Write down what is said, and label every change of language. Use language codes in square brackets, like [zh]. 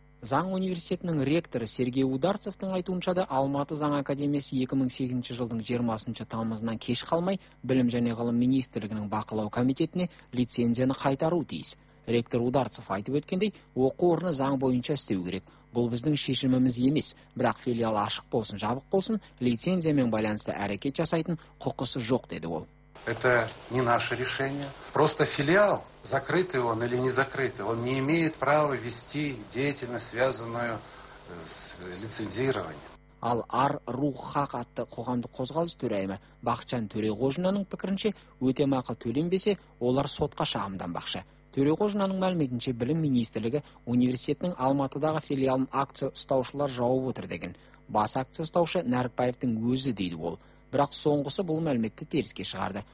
[kk] Заң университетінің ректоры Сергей Ударцевтің айтуынша да Алматы заң академиясы 2008 жылдың 20 тамызынан кеш қалмай білім және ғылым министрлігінің бақылау комитетіне лицензияны қайтару тиіс. Ректор Ударцев айтып өткендей, оқу орны заң бойынша істеу керек. Бұл біздің шешіміміз емес, бірақ филиал ашық болсын, жабық болсын, лицензиямен байланысты әрекет жасайтын құқысы жоқ, деді ол. [ru] Это не наше решение. Просто филиал, закрытый он или не закрытый, он не имеет права вести деятельность, связанную с лицензированием. [kk] Ал ар рух хак атты қоғамдық қозғалыс төрайымы Бақытжан Төреғожинаның пікірінше, өтемақы төленбесе, олар сотқа шағымданбақшы. Төреғожинаның мәліметінше, білім министрлігі университеттің Алматыдағы филиалын акция ұстаушылар жауып отыр деген. Бас акция ұстаушы Нәрікбаевтің өзі, дейді ол. Бірақ соңғысы бұл мәліметті теріске шығарды.